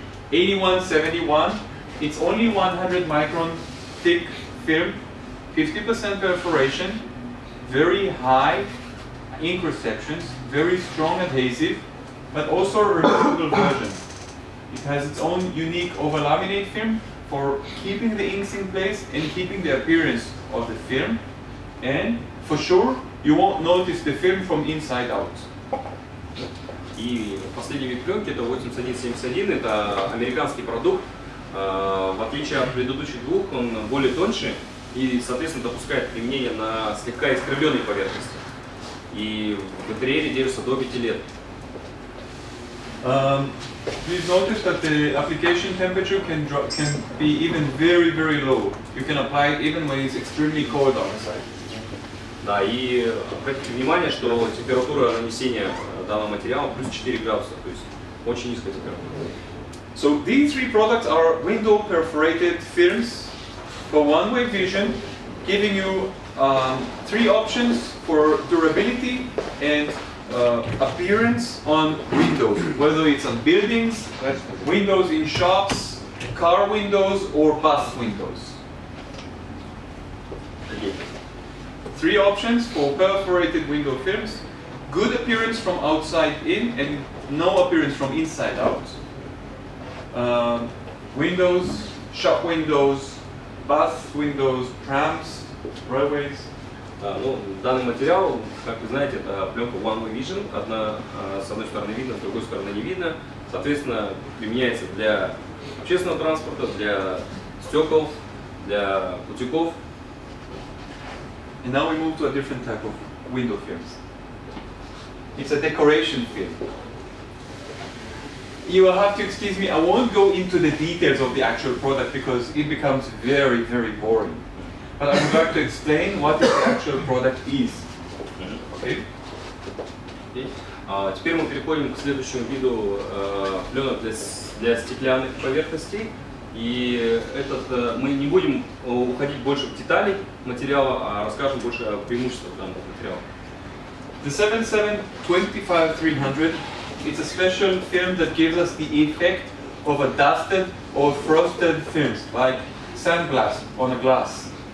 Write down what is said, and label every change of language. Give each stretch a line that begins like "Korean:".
English: 8171, it's only 100 micron thick film, 50% perforation, very high ink receptions, very strong adhesive, but also a removable version. It has its own unique over laminate film for keeping the inks in place and keeping the appearance of the film. And for sure, you won't notice the film from inside out.
Russian: И последний вид пленки — это 8171, это американский продукт. В отличие от предыдущих двух, он более тоньше и, соответственно, допускает применение на слегка искривленной поверхности. И в интерьере держится до 5 лет.
English: Please notice that the application temperature can be even very, very low. You can apply it even when it's extremely cold outside.
Russian: Да, и обратите внимание, что температура нанесения данного материала плюс 4 градуса, то есть очень низкая температура.
English: So these three products are window perforated films for one-way vision, giving you three options for durability and appearance on windows, whether it's on buildings, windows in shops, car windows, or bus windows. Three options for perforated window films: good appearance from outside in and no appearance from inside out. Windows, shop windows, bus windows, trams, railways.
Russian: Ну, данный материал, как вы знаете, это пленка One Way Vision. Одна с одной стороны видно, с другой стороны не видно. Соответственно, применяется для общественного транспорта, для стекол, для путиков.
English: And now we move to a different type of window films. It's a decoration film. You will have to excuse me, I won't go into the details of the actual product because it becomes very, very boring. But I would like to explain what the actual product is. Okay.
Russian: Теперь мы переходим к следующему виду пленок для стеклянных поверхностей. И этот мы не будем уходить больше в детали материала, а расскажем больше о преимуществах данного материала.
English: The 77-25-300, it's a special film that gives us the effect of a dusted or frosted film, like sandblast on a glass.